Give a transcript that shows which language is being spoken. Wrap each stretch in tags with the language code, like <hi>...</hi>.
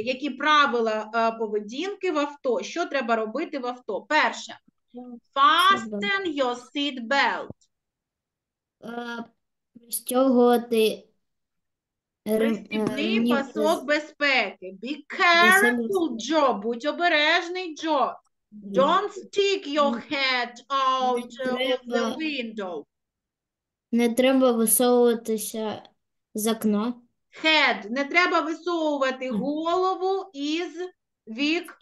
<uk>Які правила поведінки в авто? Що треба робити в авто? Перше.</uk> <en>Fasten your seat belt.</en> <uk>Пристьогувати пристібний пасок безпеки.</uk> <en>Be careful, Joe.</en> <uk>Будь обережний,</uk> <en>Joe. Don't stick your head out of the window.</en> <uk>Не треба висовуватися з окна.</uk> <en>Head.</en> <uk>Не треба висовувати голову із вікна.</uk>